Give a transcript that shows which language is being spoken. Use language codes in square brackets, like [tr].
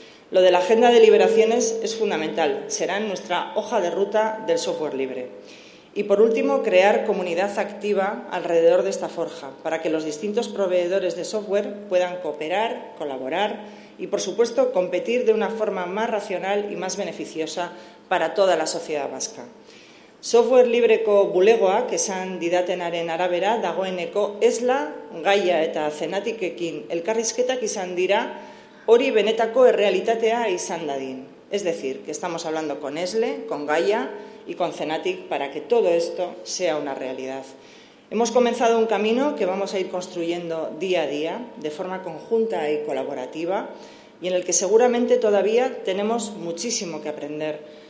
[es] Lo de la agenda de liberaciones es fundamental, será en nuestra hoja de ruta del software libre. Y por último, crear comunidad activa alrededor de esta forja, para que los distintos proveedores de software puedan cooperar, colaborar y, por supuesto, competir de una forma más racional y más beneficiosa para toda la sociedad vasca. [eu] Software libreko bulegoak esan didatenaren arabera dagoeneko esla, gaia eta zenatikekin elkarrizketak izan dira hori benetako errealitatea izan dadin. [es] Es decir, que estamos hablando con esle, con gaia y con Zenatik para que todo esto sea una realidad. Hemos comenzado un camino que vamos a ir construyendo día a día, de forma conjunta y colaborativa, y en el que seguramente todavía tenemos muchísimo que aprender.